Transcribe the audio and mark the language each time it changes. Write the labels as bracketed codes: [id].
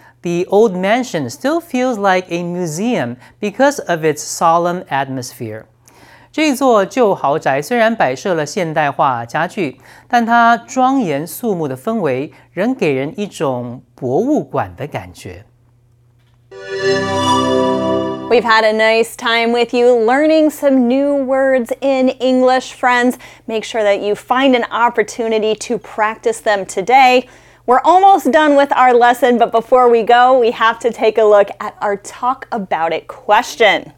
[en] The old mansion still feels like a museum because of its solemn atmosphere. [zh] 这座旧豪宅虽然摆设了现代化家具，但它庄严肃穆的氛围仍给人一种博物馆的感觉。 [en] We've had a nice time with you learning some new words in English, friends. Make sure that you find an opportunity to practice them today. We're almost done with our lesson, but before we go, we have to take a look at our talk about it question.